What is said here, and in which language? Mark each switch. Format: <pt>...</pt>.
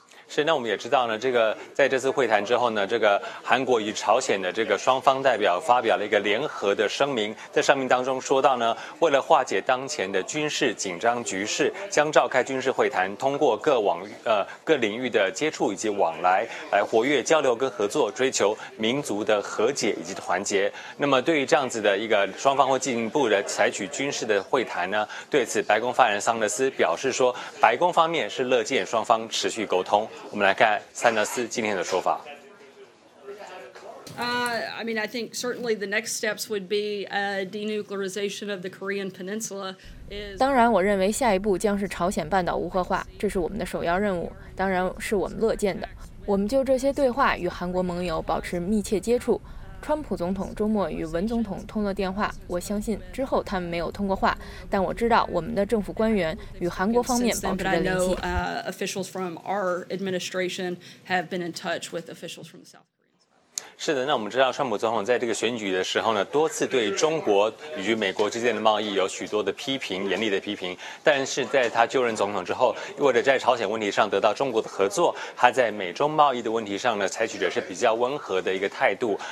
<zh>是，那我们也知道呢，这个在这次会谈之后呢，这个韩国与朝鲜的这个双方代表发表了一个联合的声明，在声明当中说到呢，为了化解当前的军事紧张局势，将召开军事会谈，通过各领域的接触以及往来，来活跃交流跟合作，追求民族的和解以及团结。那么对于这样子的一个双方会进一步的采取军事的会谈呢，对此白宫发言人桑德斯表示说，白宫方面是乐见双方持续沟通。我们来看桑德斯今天的说法。</zh> <en>I think certainly the next steps would be a denuclearization of the Korean Peninsula.</en> <zh>当然，我认为下一步将是朝鲜半岛无核化，这是我们的首要任务，当然是我们乐见的。我们就这些对话与韩国盟友保持密切接触。川普总统周末与文总统通了电话，我相信之后他们没有通过话，但我知道我们的政府官员与韩国方面保持着联系。</zh> <en>Officials from our administration have been in touch with officials from South.</en> <zh>是的，那我们知道川普总统在这个选举的时候呢，多次对中国与美国之间的贸易有许多的批评，严厉的批评。但是在他就任总统之后，为了在朝鲜问题上得到中国的合作，他在美中贸易的问题上呢，采取的是比较温和的一个态度。</zh>